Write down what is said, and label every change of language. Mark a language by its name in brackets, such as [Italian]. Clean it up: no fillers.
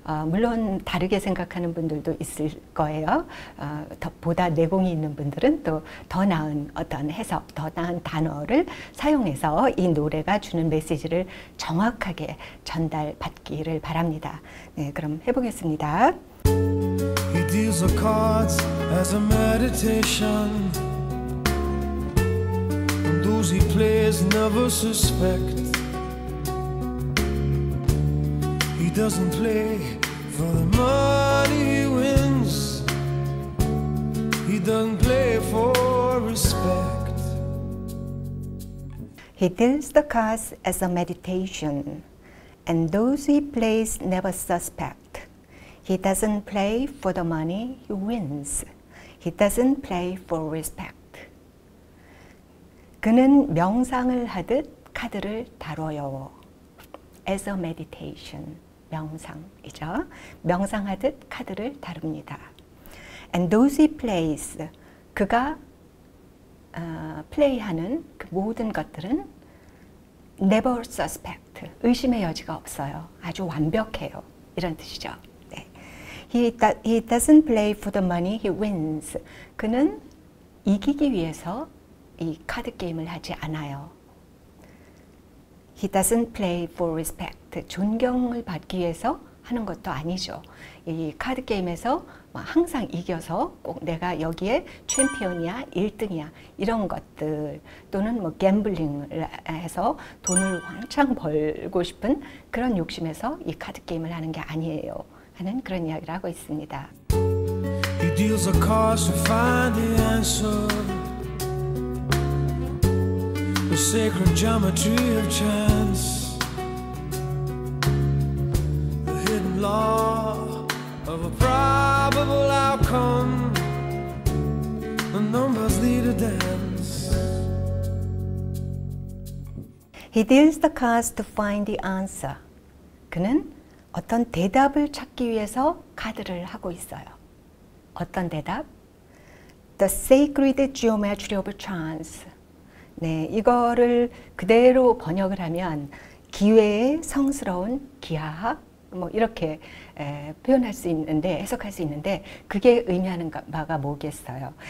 [Korean] 물론 다르게 생각하는 분들도 있을 거예요. 보다 내공이 있는 분들은 또더 나은 어떤 해석, 더 나은 단어를 사용해서 이 노래가 주는 메시지를 정확하게 전달받기를 바랍니다. 네, 그럼 해보겠습니다. [English] Deals the cards as a meditation, and those he plays never suspect. He doesn't play for the money he wins. He doesn't play for respect. He deals the cards as a meditation, and those he plays never suspect. He doesn't play for the money he wins. He doesn't play for respect. [Korean] 그는 명상을 하듯 카드를 다뤄요. [English] As a meditation, [Korean] 명상이죠. 명상하듯 카드를 다룹니다. [English] And those he plays, [Korean] 그가 플레이하는 그 모든 것들은 [English] never suspect, [Korean] 의심의 여지가 없어요. 아주 완벽해요. 이런 뜻이죠. [English] He doesn't play for the money he wins. [Korean] 그는 이기기 위해서 이 카드 게임을 하지 않아요. [English] He doesn't play for respect. [Korean] 존경을 받기 위해서 하는 것도 아니죠. 이 카드 게임에서 항상 이겨서 꼭 내가 여기에 챔피언이야, 1등이야, 이런 것들, 또는 뭐 갬블링을 해서 돈을 왕창 벌고 싶은 그런 욕심에서 이 카드 게임을 하는 게 아니에요 하는 그런 이야기를 하고 있습니다. [English] Deals a cause to find the answer. The sacred geometry of chance. The hidden law of a probable outcome. The numbers lead a dance. He deals the cards to find the answer. [Korean] 그는 어떤 대답을 찾기 위해서 카드를 하고 있어요. 어떤 대답? [English] The sacred geometry of chance. [Korean] 네, 이거를 그대로 번역을 하면 기회의 성스러운 기하학, 뭐 이렇게 표현할 수 있는데, 해석할 수 있는데, 그게 의미하는 바가 뭐겠어요?